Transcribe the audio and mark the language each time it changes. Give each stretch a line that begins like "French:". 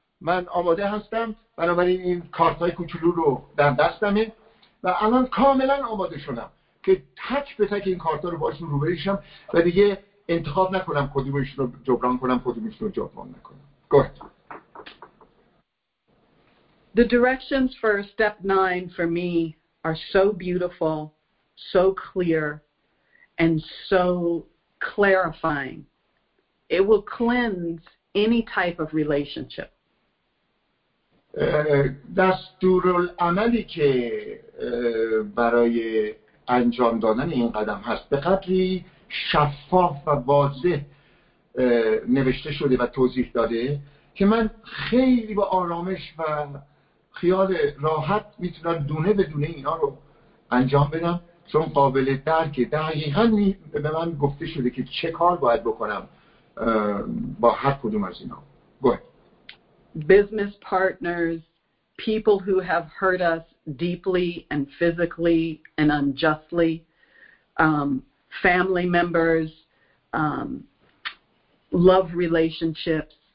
Persian: من آماده هستم. بنابراین این کارت‌های کوچولو رو در دستمه و الان کاملا آماده شدم که تک به تک این کارت‌ها رو باشون رو بریشم و دیگه انتخاب نکنم کدومشون رو جبران کنم کدومشون رو جبران نکنم.
English: Go ahead. The directions for step 9 for me are so beautiful, so clear, and so clarifying. It will cleanse any type of relationship.
Persian: دستورالعملی که برای انجام دادن این قدم هست به قدری شفاف و واضح نوشته شده و توضیح داده که من خیلی با آرامش و خیال راحت میتونم دونه به دونه اینا رو انجام بدم، چون قابل درکه. دقیقا به من گفته شده که چه کار باید بکنم با هر کدوم از اینا.
English: Go ahead. Business partners, people who have hurt us deeply and physically and unjustly, family members, love relationships.